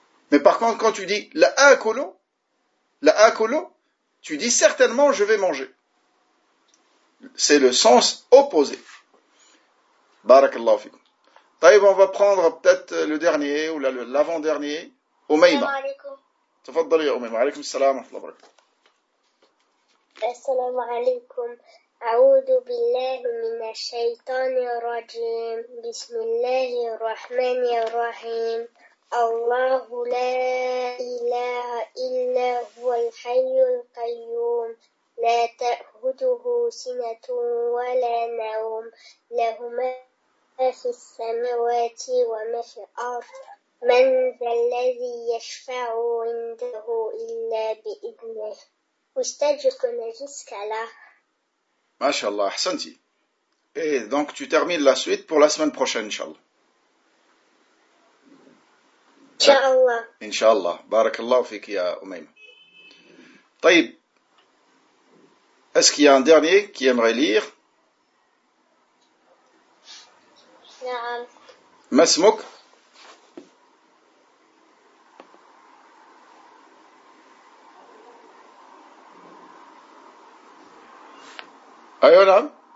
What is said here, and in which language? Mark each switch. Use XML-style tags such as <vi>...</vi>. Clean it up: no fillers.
<fr>Mais par contre, quand tu dis</fr> <ar>la akulu,</ar> <fr>tu dis certainement je vais manger. C'est le sens opposé.</fr> <ar>Barakallahu fikum.</ar> <fr>طيب, on va prendre peut-être le dernier ou l'avant-dernier.</fr> <ar>Umayma. تفضلي يا أميمة. وعليكم السلام ورحمة الله وبركاته. السلام عليكم. أعوذ بالله من الشيطان الرجيم. بسم الله الرحمن الرحيم. الله لا إله إلا هو الحي القيوم. لا تأخذه سنة ولا نوم. له ما في السماوات وما في الأرض من ذا الذي يشفع عنده إلا بإذنه واستجب نجسك له ما شاء الله أحسنتي</ar> <fr>et donc tu termines la suite pour la semaine prochaine inshallah</fr> <ar>inshallah inshallah بارك الله فيك يا أميمة طيب</ar> <fr>est-ce qu'il y a un dernier qui aimerait lire</fr> <ar>ما اسمك؟ أيوة نعم.</ar>